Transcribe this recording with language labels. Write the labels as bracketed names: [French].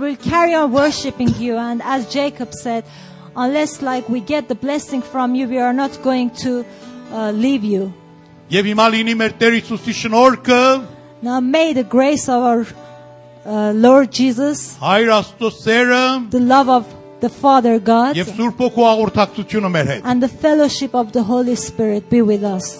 [English] we'll carry on worshiping you, and as Jacob said, unless like we get the blessing from you, we are not going to leave you. [Armenian] Եվ հիմա լինի մեր Տեր Հիսուսի շնորհքը. [English] Now may the grace of our Lord Jesus, the love of the Father God, and the fellowship of the Holy Spirit be with us.